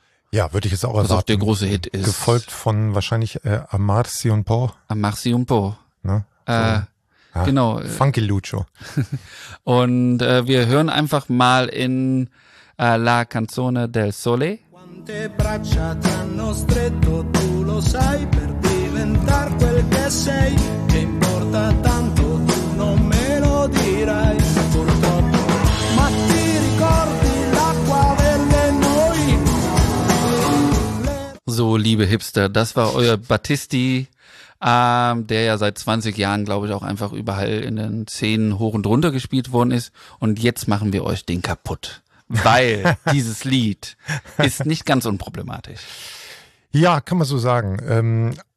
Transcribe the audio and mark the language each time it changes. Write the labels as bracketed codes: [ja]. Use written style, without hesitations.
[de] Ja, würde ich jetzt auch erwarten. Was auch der große Hit ist. Gefolgt von wahrscheinlich Amarsi un po'. Amarsi un po'. Ne? So. Genau. Funky Lucio. Und wir hören einfach mal in La Canzone del Sole. [it] Quante braccia ti hanno stretto, tu lo sai, per diventar quel che sei, che importa tanto, tu non me lo dirai, purtroppo. Ma ti ricordi l'acqua delle noi? [de] So, liebe Hipster, das war euer Battisti. Der ja seit 20 Jahren, glaube ich, auch einfach überall in den Szenen hoch und runter gespielt worden ist. Und jetzt machen wir euch den kaputt. Weil dieses Lied ist nicht ganz unproblematisch. Ja, kann man so sagen.